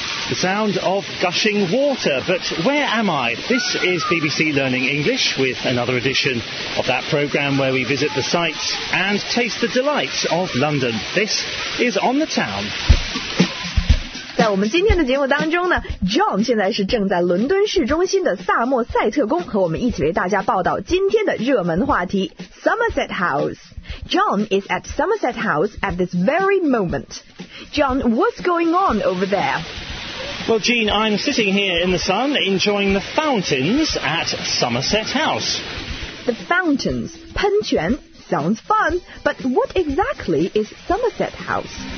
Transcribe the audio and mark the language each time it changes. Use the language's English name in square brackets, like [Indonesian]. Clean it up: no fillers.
[English] The sound of gushing water, but where am I? This is BBC Learning English with another edition of that programme where we visit the sights and taste the delights of London. This is On the Town. [Chinese] 在我们今天的节目当中呢 ，John 现在是正在伦敦市中心的萨默塞特宫，和我们一起为大家报道今天的热门话题 ——Somerset House。 [English] John is at Somerset House at this very moment. John, what's going on over there? Well, Jean, I'm sitting here in the sun enjoying the fountains at Somerset House. The fountains, 喷泉, sounds fun, but what exactly is Somerset House?